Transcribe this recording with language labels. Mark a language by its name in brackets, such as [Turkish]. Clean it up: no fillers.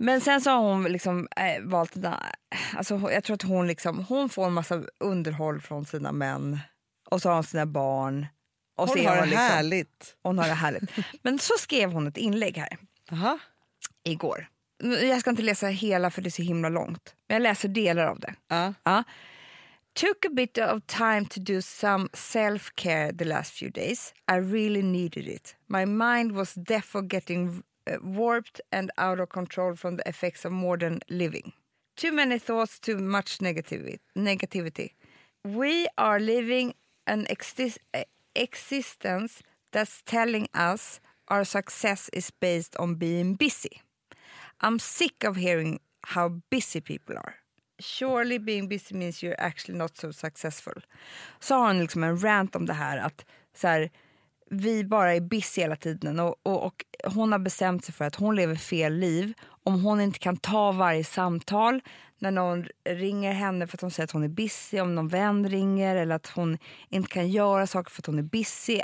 [Swedish] Men sen så har hon liksom valt den där, alltså jag tror att hon liksom, hon får en massa underhåll från sina män. Och så har hon sina barn. Och hon har det liksom, härligt. Hon har det härligt. Men så skrev hon ett inlägg här. Aha. Igår. Jag ska inte läsa hela för det är så himla långt. Men jag läser delar av det. [English] Took a bit of time to do some self-care the last few days. I really needed it. My mind was therefore getting warped and out of control from the effects of modern living. Too many thoughts, too much negativity. We are living an existence that's telling us our success is based on being busy. I'm sick of hearing how busy people are. Surely being busy means you're actually not so successful. [Swedish] Så har hon liksom en rant om det här att så här, vi bara är busy hela tiden och hon har bestämt sig för att hon lever fel liv om hon inte kan ta varje samtal när någon ringer henne för att hon säger att hon är busy, om någon vän ringer eller att hon inte kan göra saker för att hon är busy.